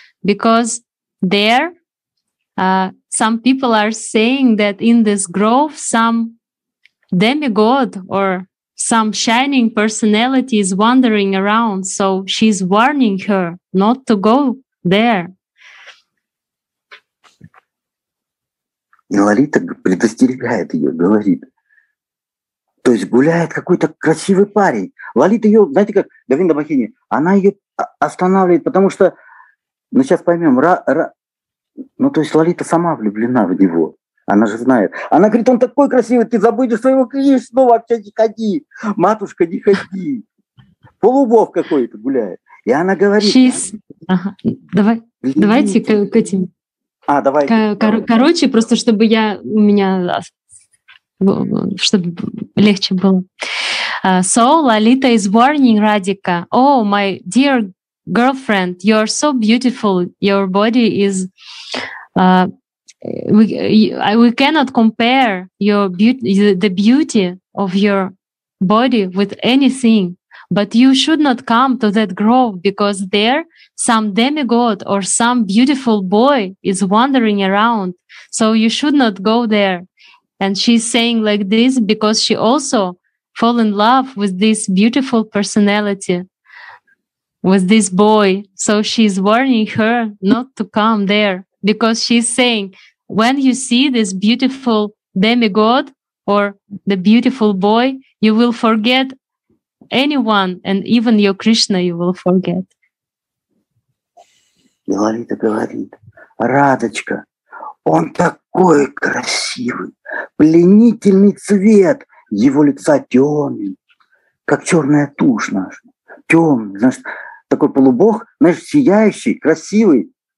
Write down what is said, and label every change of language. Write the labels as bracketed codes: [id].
[en] because there some people are saying that in this grove some demigod or some shining personality is wandering around, so she's warning her not to go there. [ru] И Лолита предостерегает ее, говорит. То есть гуляет какой-то красивый парень. Лолита ее, знаете как, Говинда Бахини, она ее останавливает, потому что, ну сейчас поймем, ну то есть Лолита сама влюблена в него. Она же знает. Она говорит, он такой красивый, ты забудешь своего Кришну, снова вообще не ходи. Матушка, не ходи. Полубог какой-то гуляет. И она говорит. Давайте к этим. Короче, просто чтобы я у меня, чтобы легче было. [en] So Lolita is warning Radhika. Oh, my dear girlfriend, you are so beautiful. Your body is, we cannot compare your beauty, the beauty of your body with anything. But you should not come to that grove, because there some demigod or some beautiful boy is wandering around. So you should not go there. And she's saying like this because she also fall in love with this beautiful personality, with this boy. So she's warning her not to come there, because she's saying, when you see this beautiful demigod or the beautiful boy, you will forget anyone, and even your Krishna you will forget. [ru] И Лолита говорит, Радочка, он такой красивый, пленительный цвет, его лица темный, как черная тушь наша, темный, значит, такой полубог, знаешь, сияющий, красивый.